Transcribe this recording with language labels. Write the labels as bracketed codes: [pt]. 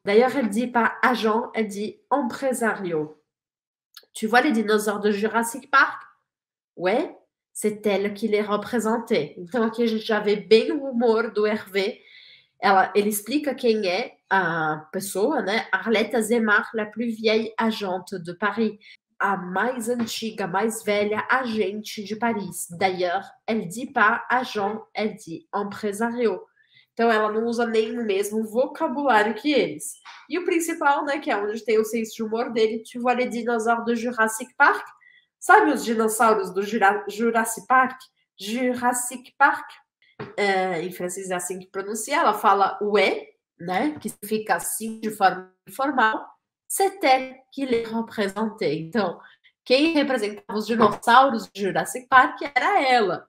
[fr] D'ailleurs, elle dit pas agent, elle dit empresario. Tu vois les dinosaures de Jurassic Park? Ouais, c'est elle qui les représentait. [pt] Então, aqui a gente já vê bem o humor do Hervé. Ele explica quem é a pessoa, né? [fr] Arlette Azemar, la plus vieille agente de Paris. [pt] A mais antiga, mais velha agente de Paris. [fr] D'ailleurs, elle dit pas agent, elle dit empresario. [pt] Então, ela não usa nem o mesmo vocabulário que eles. E o principal, né, que é onde tem o senso de humor dele, [fr] tu vois les dinosaures [pt] do Jurassic Park? Sabe os dinossauros do Jurassic Park? Jurassic Park? Em francês é assim que pronuncia. Ela fala ouais, né, que fica assim de forma informal. [fr] C'est elle qui les représentait. [pt] Então, quem representava os dinossauros do Jurassic Park era ela.